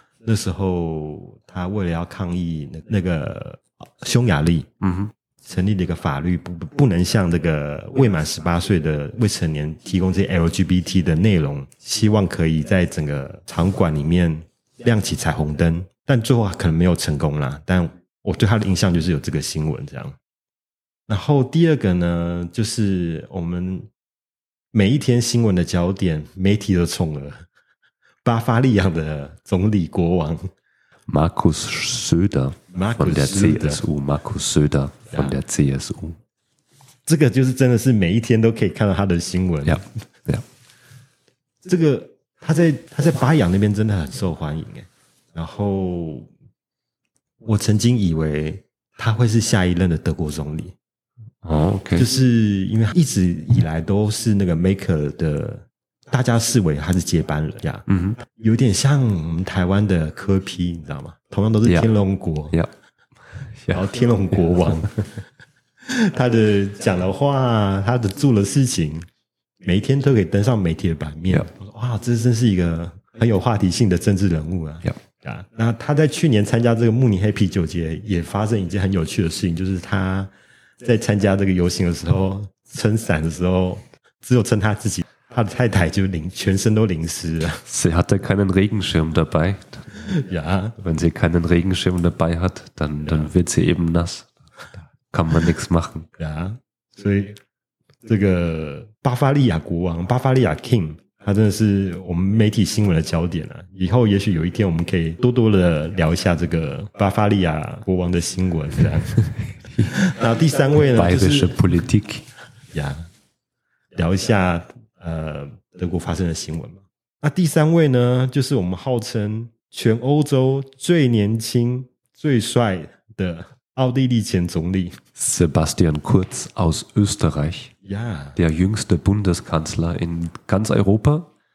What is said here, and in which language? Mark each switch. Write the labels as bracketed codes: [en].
[zh] 那时候他为了要抗议那个匈牙利，成立了一个法律，不能向这个未满18岁的未成年提供这些 LGBT 的内容，希望可以在整个场馆里面亮起彩虹灯。但最后可能没有成功啦，但我对他的印象就是有这个新闻这样。然后第二个呢，就是我们每一天新闻的焦点，媒体的宠儿，巴伐利亚的总理国王 [de] Markus Söder von der CSU， Markus Söder von der CSU， [zh] 这个就是真的是每一天都可以看到他的新闻。 yeah, yeah. 这个他在巴扬那边真的很受欢迎耶。然后我曾经以为他会是下一任的德国总理。哦、oh, ，OK，就是因为一直以来都是那个 Maker 的，大家视为他是接班人呀。嗯哼，有点像我们台湾的柯P，你知道吗？同样都是天龙国， yeah. 然后天龙国王， yeah. 他的讲的话，他的做的事情，每一天都可以登上媒体的版面。 Yeah. 哇，这真是一个很有话题性的政治人物啊。 Yeah. 那他在去年参加这个慕尼黑啤酒节也发生一件很有趣的事情，就是他在参加这个游行的时候撑伞的时候只有撑他自己，他的太太就全身都淋湿了。 [de] Sie hatte keinen Regenschirm dabei. Ja. Wenn sie keinen Regenschirm dabei hat, dann wird sie eben nass. Kann man nichts machen. Ja. [zh] 所以这个巴伐利亚国王，巴伐利亚 King，他真的是我们媒体新闻的焦点了、啊。以后也许有一天，我们可以多多的聊一下这个巴伐利亚国王的新闻。这样，然后第三位呢，就是 [de] Politik [zh] 呀，聊一下德国发生的新闻嘛。那第三位呢，就是我们号称全欧洲最年轻最帅的奥地利前总理 [de] Sebastian Kurz aus Österreich、 yeah. der jüngste Bundeskanzler in ganz Europa、